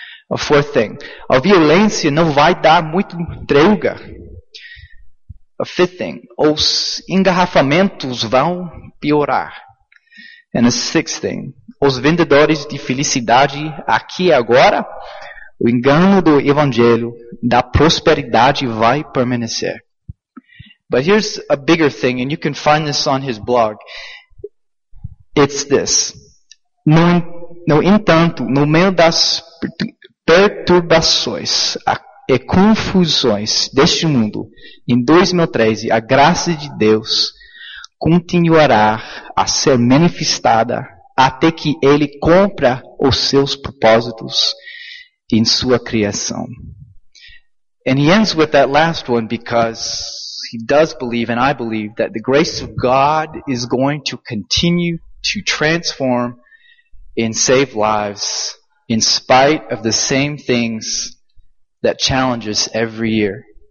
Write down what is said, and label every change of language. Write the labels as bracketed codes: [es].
[en] A fourth thing. [pt] A violência não vai dar muito trégua. [en] A fifth thing. [pt] Os engarrafamentos vão piorar. [en] And a sixth thing. [pt] Os vendedores de felicidade aqui e agora, o engano do evangelho da prosperidade vai permanecer. [en] But here's a bigger thing, and you can find this on his blog. It's this. [pt] No entanto, no meio das perturbações e confusões deste mundo, em 2013, a graça de Deus continuará a ser manifestada até que ele cumpra os seus propósitos em sua criação. [en] And he ends with that last one because he does believe, and I believe, that the grace of God is going to continue to transform and save lives in spite of the same things that challenge us every year.